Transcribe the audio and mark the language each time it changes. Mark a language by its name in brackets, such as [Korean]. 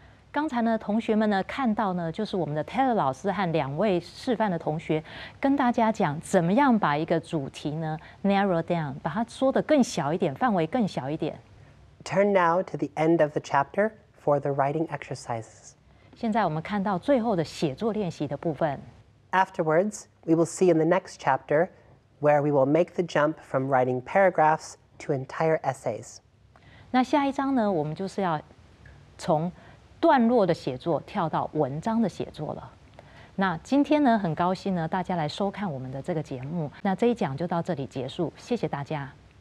[Chinese] 刚才呢，同学们呢看到呢，就是我们的 Taylor 老师和两位示范的同学跟大家讲，怎么样把一个主题呢 [English] narrow down， [Chinese] 把它缩得更小一点，范围更小一点。 [English] Turn now to the end of the chapter for the writing exercises. [Chinese] 现在我们看到最后的写作练习的部分。 [English] Afterwards, we will see in the next chapter where we will make the jump from writing paragraphs to entire essays. [Chinese] 那下一章呢，我们就是要从段落的写作跳到文章的写作了。那今天呢，很高兴呢，大家来收看我们的这个节目。那这一讲就到这里结束，谢谢大家。